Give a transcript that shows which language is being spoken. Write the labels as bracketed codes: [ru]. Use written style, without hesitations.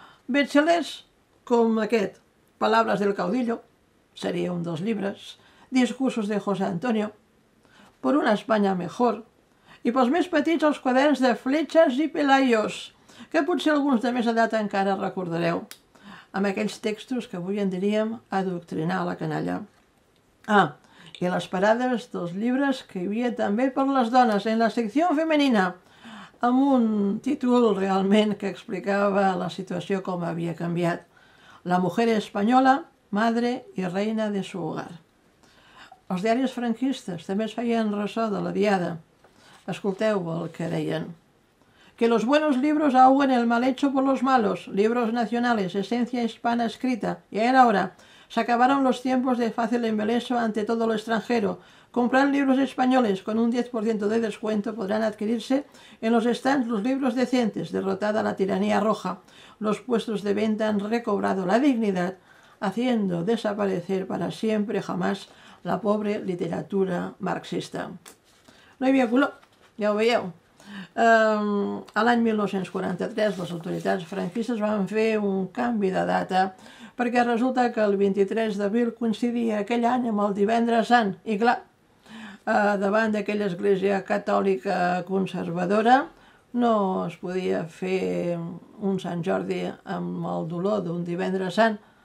[ca] Bestsellers com aquest, Palabras del Caudillo, seria un dels llibres, Discursos de José Antonio, Por una España Mejor, i pels més petits, els quaderns de Fletxes i Pelayos, que potser alguns de més edat encara recordareu, amb aquells textos que avui en diríem adoctrinar la canalla. Ah, i les parades dels llibres que hi havia també per les dones en la secció femenina, amb un títol realment que explicava la situació com havia canviat. [es] La mujer española, madre y reina de su hogar. [ca] Els diaris franquistes també es feien ressò de la diada. Escolteu el que deien. [es] Que los buenos libros ahoguen el mal hecho por los malos, libros nacionales, esencia hispana escrita. Y era hora. Se acabaron los tiempos de fácil embeleso ante todo lo extranjero. Comprar libros españoles con un 10% de descuento podrán adquirirse en los stands los libros decentes, derrotada la tiranía roja. Los puestos de venta han recobrado la dignidad, haciendo desaparecer para siempre jamás la pobre literatura marxista. [ca] No hi havia color, ja ho veieu. A l'any 1943 les autoritats franquistes van fer un canvi de data perquè resulta que el 23 d'abril coincidia aquell any amb el Divendres Sant i clar, davant d'aquella església catòlica conservadora no es podia fer un Sant Jordi amb el dolor d'un Divendres Sant.